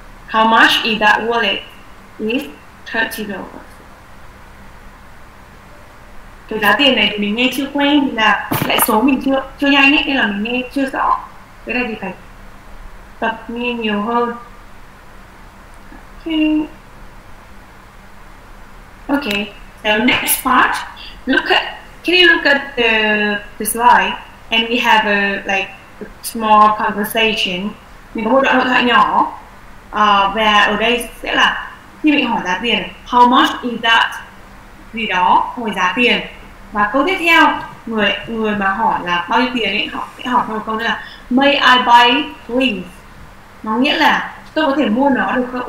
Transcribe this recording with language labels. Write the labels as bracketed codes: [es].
[en] How much is that wallet? Is $30. [vi] Cái giá tiền này thì mình nghe chưa quen, là lại số mình chưa nhanh ấy, nên là mình nghe chưa rõ. Cái này thì phải tập nghe nhiều hơn. [en] Okay, so next part, can you look at the slide, and we have a small conversation. [vi] Mình có một đoạn hội thoại nhỏ, và ở đây sẽ là khi mình hỏi giá tiền, [en] how much is that, [vi] gì đó, hỏi giá tiền. Và câu tiếp theo, người mà hỏi là bao nhiêu tiền ấy, họ sẽ hỏi một câu nữa là [en] may I buy please, [vi] nó nghĩa là tôi có thể mua nó được không?